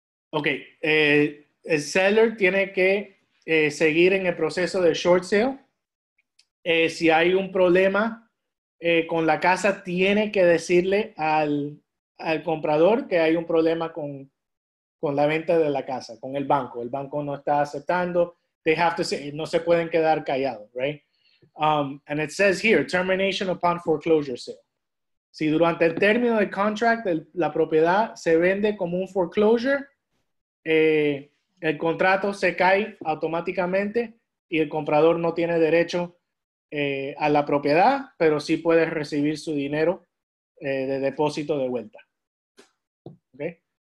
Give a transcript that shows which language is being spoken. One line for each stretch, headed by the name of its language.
Spanish: Ok. El seller tiene que seguir en el proceso de short sale. Si hay un problema con la casa, tiene que decirle al comprador que hay un problema con la venta de la casa, con el banco. El banco no está aceptando.
English: They have to say,
Spanish: no se pueden quedar callados, right?
English: And it says here, termination upon foreclosure sale.
Spanish: Si durante el término del contract, la propiedad se vende como un foreclosure, el contrato se cae automáticamente y el comprador no tiene derecho a la propiedad, pero sí puede recibir su dinero de depósito de vuelta. Okay?